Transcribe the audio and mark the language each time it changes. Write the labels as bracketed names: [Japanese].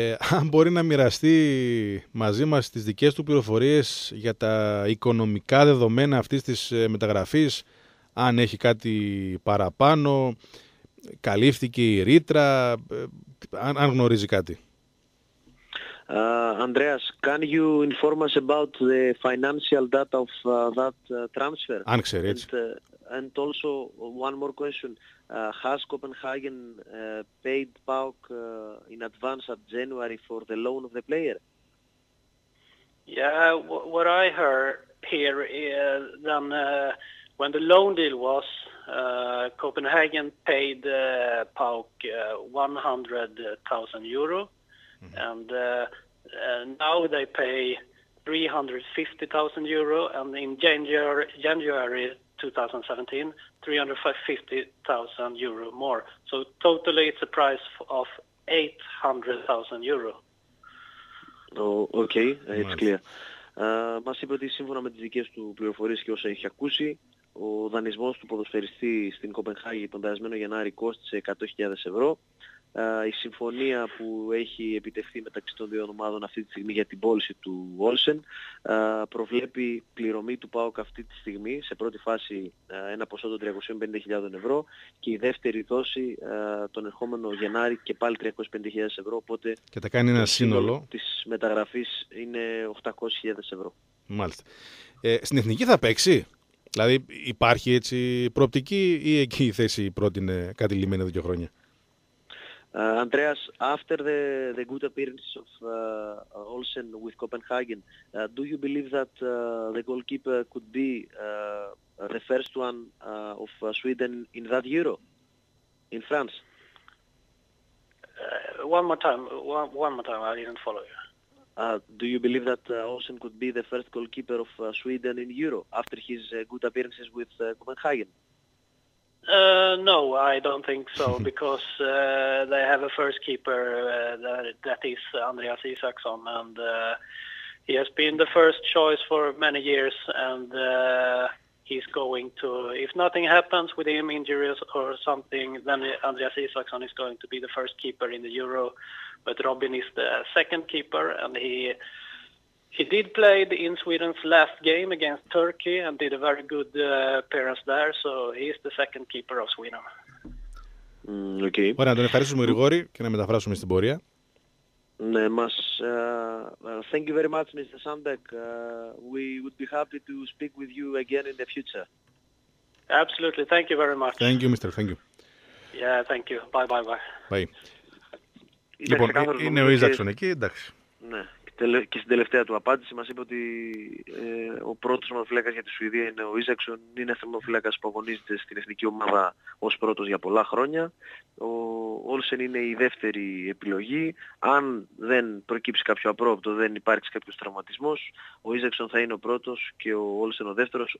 [Greek] Αν μπορεί να μοιραστεί μαζί μας τις δικές του πληροφορίες για τα οικονομικά δεδομένα αυτής της μεταγραφής, αν έχει κάτι παραπάνω, καλύφθηκε η ρήτρα, αν γνωρίζει κάτι. [English] Andreas, can you inform us about the financial data of that transfer? [Greek] Αν ξέρει. [English] And also one more question. Has Copenhagen paid PAOK in advance at January for the loan of the player? Yeah, what I heard here is that when the loan deal was, Copenhagen paid PAOK €100,000, mm-hmm. and now they pay €350,000, and in January 2017, €350,000 more. So totally it's a price of €800,000. Oh, okay, it's nice. Clear. [Greek] Μας είπε ότι σύμφωνα με τις δικές του πληροφορίες και όσα έχει ακούσει, ο δανεισμός του ποδοσφαιριστή στην Κοπενχάγη τον περασμένο Γενάρη κόστησε €100,000. Η συμφωνία που έχει επιτευχθεί μεταξύ των δύο ομάδων αυτή τη στιγμή για την πώληση του Όλσεν προβλέπει πληρωμή του ΠΑΟΚ αυτή τη στιγμή σε πρώτη φάση ένα ποσό των €350,000, και η δεύτερη δόση τον ερχόμενο Γενάρη και πάλι €350,000, οπότε και τα κάνει ένα σύνολο της μεταγραφής είναι €800,000. Μάλιστα. Στην Εθνική θα παίξει, δηλαδή υπάρχει έτσι προοπτική, ή εκεί η θέση πρότεινε κατηλημένη δύο χρόνια? [English] Andreas, after the good appearance of Olsen with Copenhagen, do you believe that the goalkeeper could be the first one of Sweden in that Euro in France? One more time, I didn't follow you. Do you believe that Olsen could be the first goalkeeper of Sweden in Euro after his good appearances with Copenhagen? No, I don't think so, because they have a first keeper that is Andreas Isaksson, and he has been the first choice for many years, and he's going to, if nothing happens with him, injuries or something, then Andreas Isaksson is going to be the first keeper in the Euro, but Robin is the second keeper, and he did play in Sweden's last game against Turkey and did a very good appearance there, so he is the second keeper of Sweden. Okay. [Greek] Ωραία, να τον ευχαριστήσουμε, Γρηγόρη, και να μεταφράσουμε στην πορεία. Ναι, μας... [English] thank you very much, Mr. Sandek. We would be happy to speak with you again in the future. Absolutely, thank you very much. Thank you, Mr. Thank you. Yeah, thank you. Bye-bye-bye. Bye. [Greek] Λοιπόν, είναι ο Ίζακσον εκεί, εντάξει. Ναι, και στην τελευταία του απάντηση μας είπε ότι ο πρώτος θεματοφύλακας για τη Σουηδία είναι ο Ίζακσον, είναι θεματοφύλακας που αγωνίζεται στην εθνική ομάδα ως πρώτος για πολλά χρόνια. Ο Όλσεν είναι η δεύτερη επιλογή. Αν δεν προκύψει κάποιο απρόοπτο, δεν υπάρξει κάποιος τραυματισμός, ο Ίζακσον θα είναι ο πρώτος και ο Όλσεν ο δεύτερος.